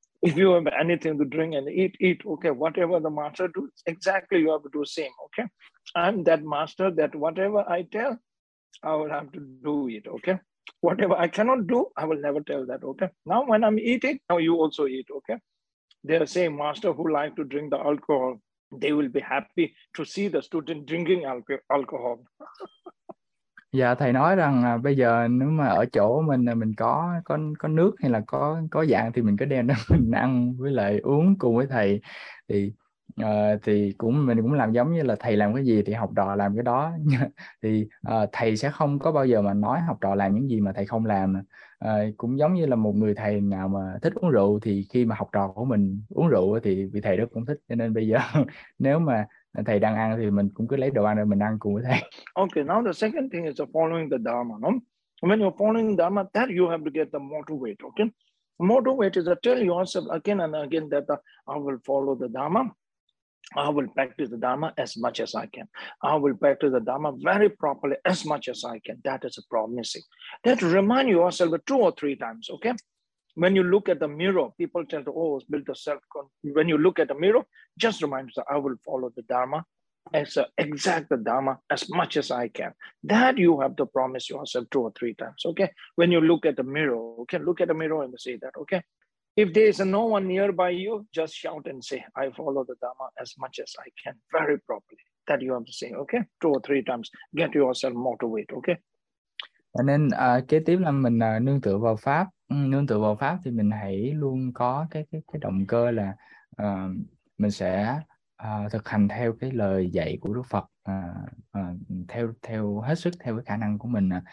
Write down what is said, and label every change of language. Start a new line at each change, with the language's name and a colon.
English: If you have anything to drink and eat, eat. Okay, whatever the master do, exactly you have to do same. Okay, I'm that master that whatever I tell, I will have to do it. Okay. Whatever I cannot do, I will never tell that. Okay. Now when I'm eating, now you also eat. Okay. They are saying master who like to drink the alcohol, they will be happy to see the student drinking alcohol.
Vietnamese: Dạ, thầy nói rằng là bây giờ nếu mà ở chỗ mình có nước hay là có dạng thì mình cứ đem đó mình ăn với lại uống cùng với thầy, thì cũng mình cũng làm giống như là thầy làm cái gì thì học trò làm cái đó. Thì thầy sẽ không có bao giờ mà nói học trò làm những gì mà thầy không làm. Cũng giống như là một người thầy nào mà thích uống rượu thì khi mà học trò của mình uống rượu thì vị thầy đó cũng thích, cho nên bây giờ nếu mà thầy đang ăn thì mình cũng cứ lấy đồ ăn rồi mình ăn cùng với thầy.
English: Okay, now the second thing is following the Dharma, no? When you're following the Dharma, that you have to get the motivate, okay? Motivate is to tell yourself again and again that I will follow the Dharma. I will practice the Dharma as much as I can. I will practice the Dharma very properly as much as I can. That is a promising. That remind yourself two or three times, okay? When you look at the mirror, people tell you, oh, build the self. When you look at the mirror, just remind yourself, I will follow the Dharma. As exact the Dharma as much as I can. That you have to promise yourself two or three times. Okay. When you look at the mirror, okay, look at the mirror and say that, okay. If there is no one nearby you, just shout and say, I follow the Dharma as much as I can, very properly. That you have to say, okay, two or three times. Get yourself motivated, okay.
Vietnamese: Và nên kế tiếp là mình nương tựa vào pháp. Nương tựa vào pháp thì mình hãy luôn có cái động cơ là mình sẽ thực hành theo cái lời dạy của Đức Phật, theo theo hết sức theo cái khả năng của mình.